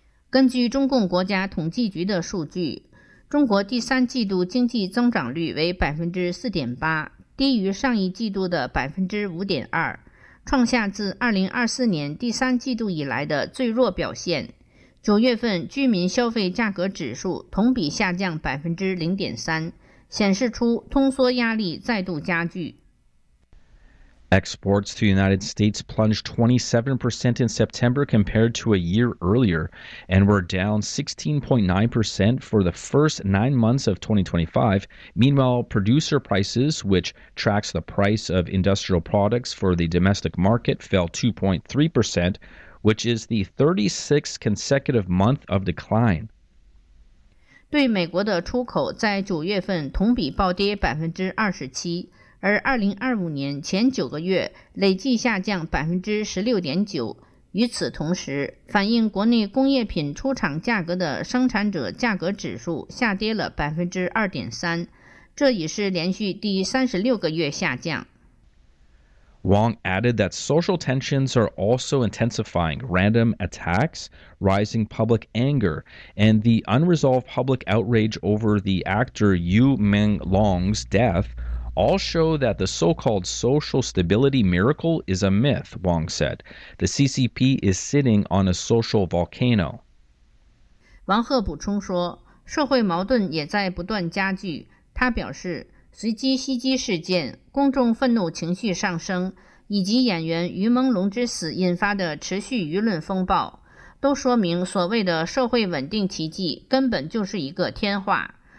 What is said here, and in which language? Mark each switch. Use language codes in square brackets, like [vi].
[zh] 根据中共国家统计局的数据，中国第三季度经济增长率为 4.8%， 低于上一季度的 5.2%，创下自2024年第三季度以来的最弱表现。 9月份居民消费价格指数同比下降 0.3%， 显示出通缩压力再度加剧。 [en] Exports to the United States plunged 27% in September compared to a year earlier, and were down 16.9% for the first 9 months of 2025. Meanwhile, producer prices, which tracks the price of industrial products for the domestic market, fell 2.3%, which is the 36th consecutive month of decline. [zh] 对美国的出口在九月份同比暴跌27%。而2025年前九个月累计下降 16.9%， 与此同时，反映国内工业品出厂价格的生产者价格指数下跌了 2.3%， 这已是连续第36个月下降。 [en] Wang added that social tensions are also intensifying, random attacks, rising public anger, and the unresolved public outrage over the actor Yu Menglong's death all show that the so-called social stability miracle is a myth, Wang said. The CCP is sitting on a social volcano. [zh] 王鹤补充说，社会矛盾也在不断加剧。他表示，随机袭击事件、公众愤怒情绪上升，以及演员于朦胧之死引发的持续舆论风暴，都说明所谓的社会稳定奇迹根本就是一个天话。